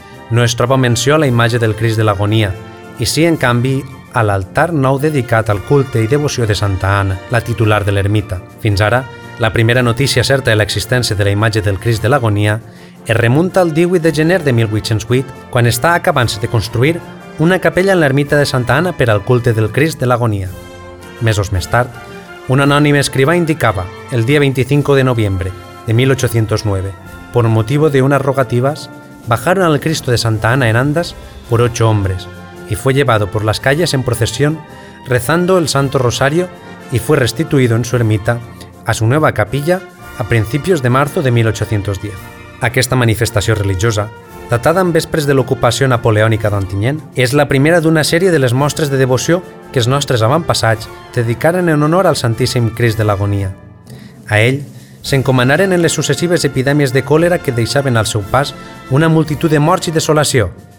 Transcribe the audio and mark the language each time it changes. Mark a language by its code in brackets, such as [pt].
[ca] No es troba menció a la imatge del Crist de l'Agonia, i sí, en canvi, a l'altar nou dedicat al culte i devoció de Santa Anna, la titular de l'ermita. Fins ara, la primera notícia certa de l'existència de la imatge del Crist de l'Agonia es remunta al 18 de gener de 1808, quan està acabant-se de construir una capella en l'ermita de Santa Anna per al culte del Crist de l'Agonia. Mesos més tard, un anònim escrivà indicava el dia 25 de novembre de 1809, [es] por motivo de unas rogativas, bajaron al Cristo de Santa Anna en andas por 8 hombres y fue llevado por las calles en procesión rezando el Santo Rosario y fue restituido en su ermita a su nueva capilla a principios de marzo de 1810. [ca] Aquesta manifestació religiosa, datada en vespres de l'ocupació napoleònica d'Ontinyent, és la primera d'una sèrie de les mostres de devoció que els nostres avantpassats dedicaren en honor al Santíssim Crist de l'Agonia. A ell s'encomanaren en les successives epidèmies de còlera que deixaven al seu pas una multitud de morts i desolació.